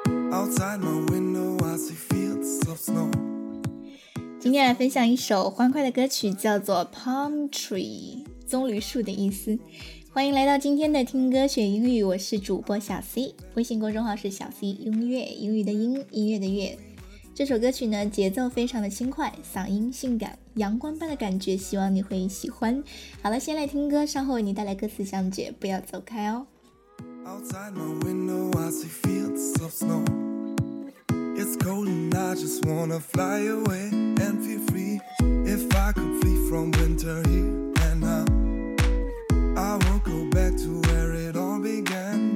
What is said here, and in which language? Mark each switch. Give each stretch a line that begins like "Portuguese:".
English: Outside my window, I see fields of snow.
Chinese: 今天来分享一首欢快的歌曲，叫做 Palm Tree， 棕榈树的意思。欢迎来到今天的听歌学英语，我是主播小 C， 微信公众号是小 C 音乐，英语的音，音乐的乐。这首歌曲呢，节奏非常的轻快，嗓音性感，阳光般的感觉，希望你会喜欢。好了，先来听歌，稍后为你带来歌词讲解，不要走开哦。
English: Outside my window, I see fields of snow. It's cold and I just wanna fly away and feel free. If I could flee from winter here and now, I won't go back to where it all began.